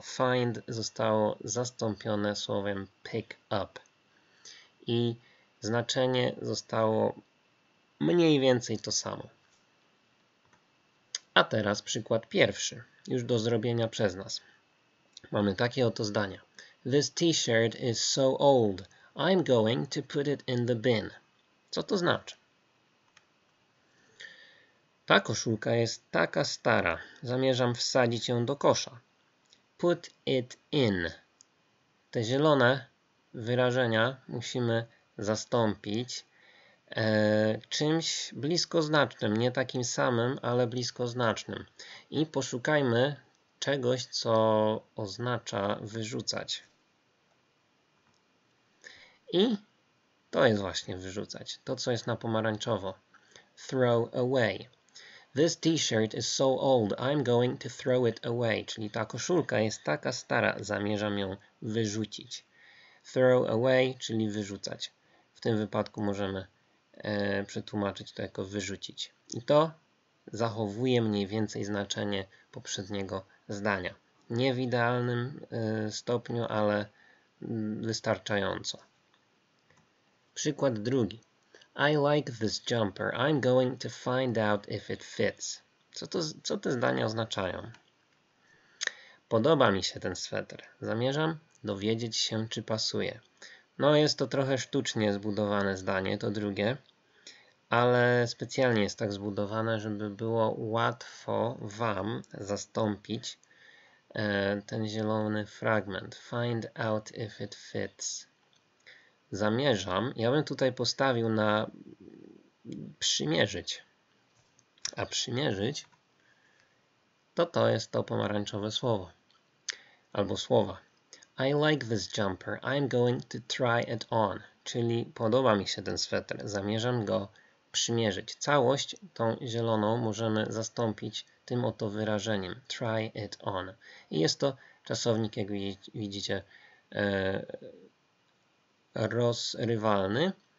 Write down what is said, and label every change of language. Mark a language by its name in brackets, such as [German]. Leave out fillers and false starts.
[Polish] Find zostało zastąpione słowem pick up. I znaczenie zostało mniej więcej to samo. A teraz przykład pierwszy, już do zrobienia przez nas. Mamy takie oto zdania. [English] This t-shirt is so old, I'm going to put it in the bin. [Polish] Co to znaczy? Ta koszulka jest taka stara, zamierzam wsadzić ją do kosza. [English] Put it in. [Polish] Te zielone wyrażenia musimy zastąpić czymś bliskoznacznym, nie takim samym, ale bliskoznacznym. I poszukajmy czegoś, co oznacza wyrzucać. I to jest właśnie wyrzucać, to co jest na pomarańczowo. [English] Throw away. This t-shirt is so old, I'm going to throw it away. [Polish] Czyli ta koszulka jest taka stara, zamierzam ją wyrzucić. Throw away, czyli wyrzucać. W tym wypadku możemy przetłumaczyć to jako wyrzucić. I to zachowuje mniej więcej znaczenie poprzedniego zdania. Nie w idealnym stopniu, ale wystarczająco. Przykład drugi. [English] I like this jumper. I'm going to find out if it fits. [Polish] Co te zdania oznaczają? Podoba mi się ten sweter. Zamierzam dowiedzieć się, czy pasuje. No, jest to trochę sztucznie zbudowane zdanie, to drugie. Ale specjalnie jest tak zbudowane, żeby było łatwo wam zastąpić ten zielony fragment. [English] Find out if it fits. [Polish] Zamierzam, ja bym tutaj postawił na przymierzyć. A przymierzyć to jest to pomarańczowe słowo. Albo słowa. [English] I like this jumper, I'm going to try it on. [Polish] Czyli podoba mi się ten sweter, zamierzam go przymierzyć. Całość tą zieloną możemy zastąpić tym oto wyrażeniem. [English] Try it on. [Polish] I jest to czasownik, jak widzicie, rozrywalny.